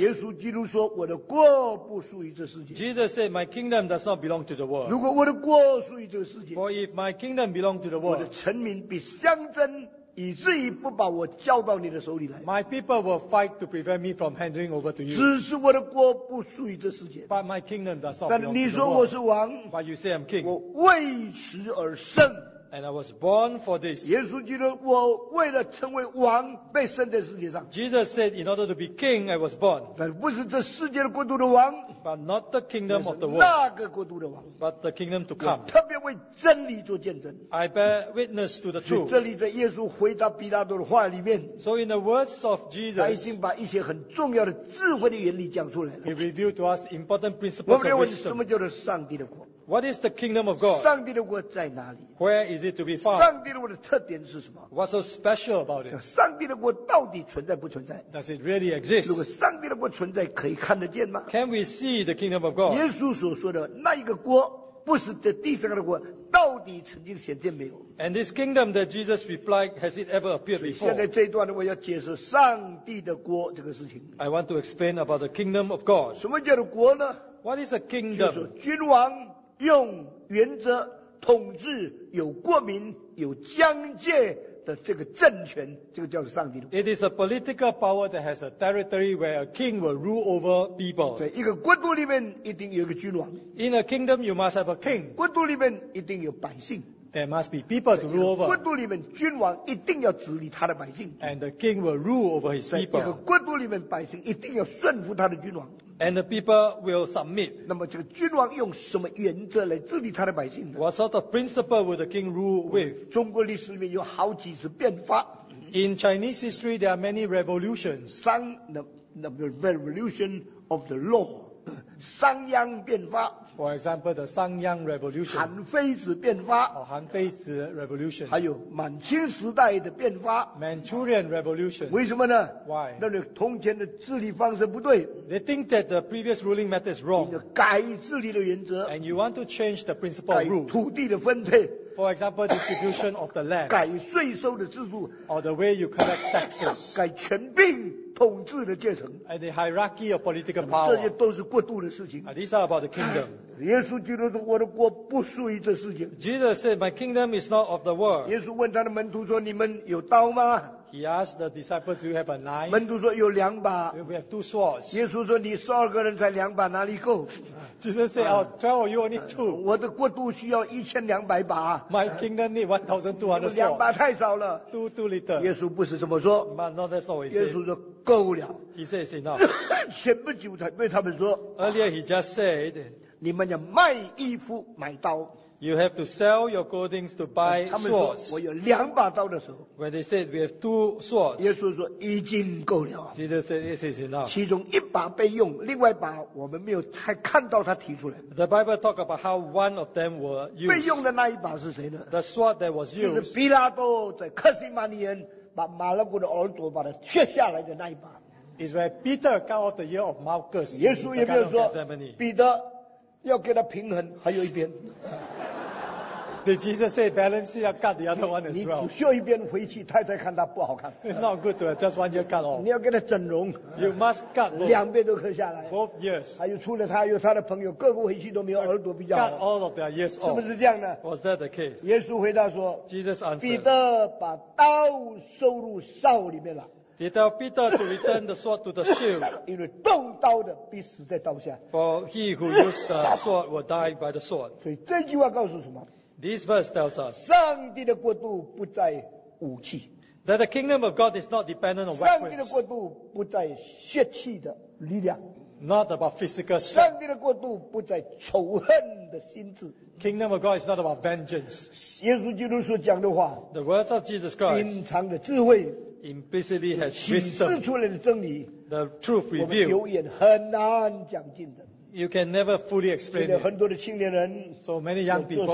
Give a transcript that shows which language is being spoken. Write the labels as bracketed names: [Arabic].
[Chinese] 耶稣基督说：“我的国不属于这世界。 [English] ”Jesus said, "My kingdom does not belong to the world." [Chinese] 如果我的国属于这世界 [English] ，For if my kingdom belong to the world, [Chinese] 我的臣民必相争。以至于不把我交到你的手里来。 [English] My people will fight to prevent me from handing over to you. [Chinese] 只是我的国不属于这世界。 [English] But my kingdom does not belong to the world. [Chinese] 但你说我是王。 [English] But you say I'm king. [Chinese] 我为此而生。 [English] And I was born for this. [Chinese] 耶稣基督，我为了成为王被生在世界上。 [English] Jesus said, in order to be king, I was born. [Chinese] 但不是这世界的国度的王。 [English] But not the kingdom of the world. [Chinese] 那个国度的王。 [English] But the kingdom to come. [Chinese] 特别为真理做见证。 [English] I bear witness to the truth. [Chinese] 这里在耶稣回答比拉多的话里面。 [English] So in the words of Jesus, [Chinese] 他已经把一些很重要的智慧的原理讲出来了。 [English] He revealed to us important principles of wisdom. [Chinese] 我们要问什么叫做上帝的国？ [English] What is the kingdom of God? [Chinese] 上帝的国在哪里？ [English] Where is it to be found? [Chinese] 上帝的国的特点是什么？ [English] What's so special about it? [Chinese] 上帝的国到底存在不存在？ [English] Does it really exist? [Chinese] 如果上帝的国存在，可以看得见吗？ [English] Can we see the kingdom of God? [Chinese] 耶稣所说的那一个国，不是这地上的国，到底曾经显见没有？ [English] And this kingdom that Jesus replied, has it ever appeared before? [Chinese] 现在这一段呢，我要解释上帝的国这个事情。 [English] I want to explain about the kingdom of God. [Chinese] 什么叫做国呢？ [English] What is a kingdom? [Chinese] 就是君王。用原则统治有国民有疆界的这个政权，这个叫做上帝的国。 [English] It is a political power that has a territory where a king will rule over people. [Chinese] 在一个国度里面一定有一个君王。 [English] In a kingdom, you must have a king. [Chinese] 国度里面一定有百姓。 [English] There must be people to rule over. [Chinese] 国度里面君王一定要治理他的百姓。 [English] And the king will rule over his people. [Chinese] 一个国度里面百姓一定要顺服他的君王。 [English] And the people will submit. [Chinese] 那么这个君王用什么原则来治理他的百姓呢？ [English] What sort of principle will the king rule with? [Chinese] 中国历史里面有好几次变法。 [English] In Chinese history, there are many revolutions. [Chinese] 商的 [English] revolution of the law. [Chinese] 商鞅变法。 [English] For example, the 商鞅 revolution. [Chinese] 韩非子变法。 [English] 韩非子 revolution. [Chinese] 还有满清时代的变法。 [English] Manchurian revolution. [Chinese] 为什么呢？ [English] Why? [Chinese] 那里从前的治理方式不对。 [English] They think that the previous ruling method is wrong. [Chinese] 你改治理的原则。 [English] And you want to change the principle of rule. [Chinese] 改土地的分配。 [English] For example, distribution of the land. [Chinese] 改税收的制度。 [English] Or the way you collect taxes. [Chinese] 改权柄。统治的阶层 [English] ，and the hierarchy of political power， [Chinese] 这些都是过度的事情。 [English] These are about the kingdom。 [Chinese] 耶稣基督说：“我的国不属于这世界。” [English] Jesus said, "My kingdom is not of the world." [Chinese] 耶稣问他的门徒说：“你们有刀吗？” [English] He asked the disciples, "Do you have a knife?" [Chinese] 门徒说：“有两把。” [English] We have two swords. [Chinese] 耶稣说：“你十二个人才两把，哪里够？” [English] Jesus said, "Oh, 12 of you only two." [Chinese] 我的国度需要1200把。 [English] My kingdom need 1200 swords. [Chinese] 两把太少了。 [English] Too little. [Chinese] 耶稣不是这么说。 [English] But not that's always. [Chinese] 耶稣说。够了 [English] ，He says enough。 [Chinese] 前不久才对他们说 [English] ，Earlier he just said， [Chinese] 你们要卖衣服买刀。 [English] You have to sell your clothing to buy swords. [Chinese] 我有两把刀的时候, [English] when they said we have two swords, [Chinese] 耶稣说已经够了, [English] Jesus said this is enough. [Chinese] 其中一把被用, 另外一把我们没有太看到他提出来。 [English] The Bible talked about how one of them were used. [Chinese] 被用的那一把是谁呢? [English] The sword that was used. [Chinese] 是比拉多在克西马尼园把马勒古的耳朵把它切下来的那一把。 [English] Is where Peter cut off the ear of Malchus. [Chinese] 耶稣也没有说, Peter, 要给他平衡, 还有一边。 [English] Did Jesus say balance it, cut the other one as well? [Chinese] 你修一边回去, 太太看他不好看。 [English] It's not good to just want your cut off. [Chinese] 你要给他整容。 [English] You must cut both. [Chinese] 两边都刻下来。 [English] Both ears. [Chinese] 还有除了他, 还有他的朋友, 各个回去都没有耳朵比较好。 [English] Cut all of their ears off. [Chinese] 是不是这样呢? [English] Was that the case? [Chinese] 耶稣回答说, [English] Jesus answered, [Chinese] Peter 把刀收入哨里面了。 [English] He tell Peter to return the sword to the shield. [Chinese] 因为动刀的必死在刀下。 [English] For he who used the sword will die by the sword. [Chinese] 所以这句话告诉什么? [English] This verse tells us, [Chinese] 上帝的国度不在武器。 [English] That the kingdom of God is not dependent on weapons. [Chinese] 上帝的国度不在血气的力量。 [English] Not about physical strength. [Chinese] 上帝的国度不在仇恨的心智。 [English] Kingdom of God is not about vengeance. [Chinese] 耶稣基督所讲的话, [English] The words of Jesus Christ, [Chinese] 隐藏的智慧, [English] implicitly has wisdom. [Chinese] 启示出来的真理, [English] the truth revealed. [Chinese] 我们有眼很难讲尽的。 [English] You can never fully explain it. [Chinese] 现在很多的青年人, [English] so many young people,